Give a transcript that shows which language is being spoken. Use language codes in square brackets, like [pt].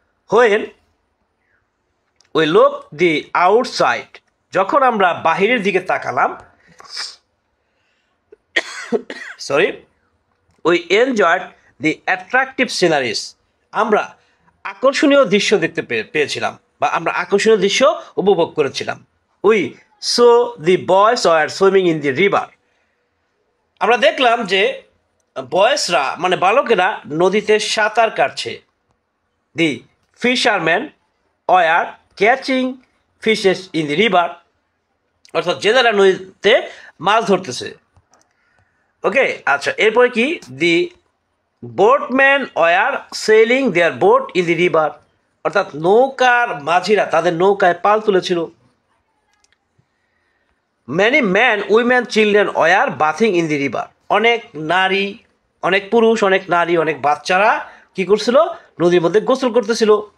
[en] when we look the outside, [bn] যখন আমরা বাহিরের দিকে তাকালাম, sorry, [en] we enjoyed the attractive sceneries, [bn] আমরা আকর্ষণীয় দৃশ্য দেখতে পেয়েছিলাম বা আমরা আকর্ষণীয় দৃশ্য উপভোগ করেছিলাম। We [en] So the boys were swimming in the river. [bn] আমরা দেখলাম যে বয়সরা মানে বালকেরা নদীতে সাঁতার কাটছে. [en] The fishermen were catching fishes in the river. [bn] অর্থাৎ যে তারা নদীতে মাছ ধরতেছে. ওকে আচ্ছা এরপরে কি [en] the boatman were sailing their boat in the river [bn] অর্থাৎ নৌকার মাঝিরা তাদের নৌকায় পাল তুলেছিল. [en] many man women children were bathing in the river [bn] অনেক নারী অনেক পুরুষ অনেক নারী অনেক বাচ্চারা কী করছিল নদীর মধ্যে গোসল করতেছিল.